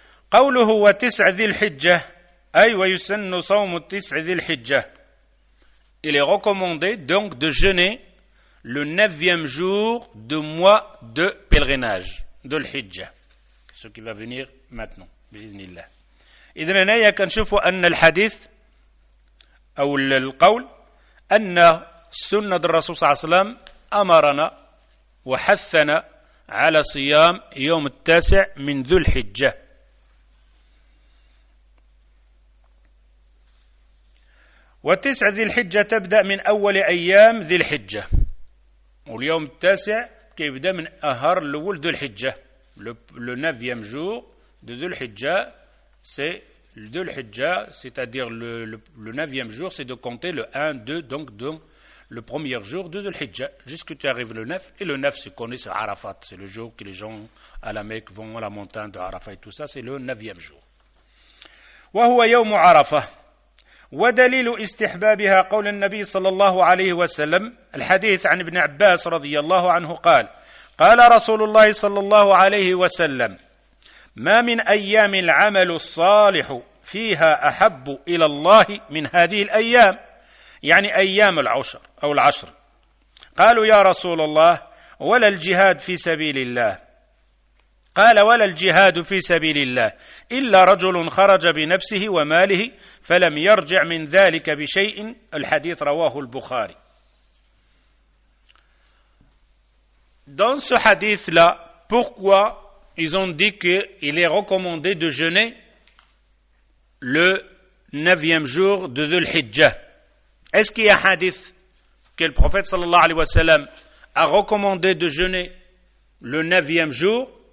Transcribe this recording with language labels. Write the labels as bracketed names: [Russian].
[Arabic] قوله وتسع ذي الحجة أي ويسن صوم التسع ذي الحجة. [French] Il est recommandé donc de jeûner le 9e jour du mois de pèlerinage ذو الحجة, ce qui va venir maintenant [Arabic] بإذن الله. إذن هنا كنشوف أن الحديث أو القول أن سنة الرسول صلى الله عليه وسلم أمرنا وحثنا على صيام يوم التاسع من ذو الحجة. وتسع ذي الحجة تبدأ من أول أيام ذي الحجة, واليوم التاسع يبدأ من أهر الأول ذو الحجة. [French] لو نافيام جور ذو الحجة سي ذو الحجة, c'est-à-dire le 9e jour, c'est de compter le 1, 2, donc le premier jour de l'Hijja, jusqu'à ce que tu arrives le 9, et le 9 se connaît sur Arafat, c'est le jour que les gens à la Mecque vont à la montagne de Arafat et tout ça, c'est le 9e jour. [Arabic] وهو يوم عرفة. ودليل استحبابها قول النبي صلى الله عليه وسلم الحديث عن ابن عباس رضي الله عنه قال: قال رسول الله صلى الله عليه وسلم: ما من أيام العمل الصالح فيها أحب إلى الله من هذه الأيام، يعني أيام العشر أو العشر. قالوا: يا رسول الله، ولا الجهاد في سبيل الله؟ قال: ولا الجهاد في سبيل الله إلا رجل خرج بنفسه وماله فلم يرجع من ذلك بشيء. الحديث رواه البخاري. [French] Dans ce hadith là, pourquoi ils ont dit qu'il est recommandé de jeûner le 9e jour de Dhul-Hijjah? Est-ce qu'il y a un hadith que le prophète sallallahu alayhi wa sallam a recommandé de jeûner le 9e jour?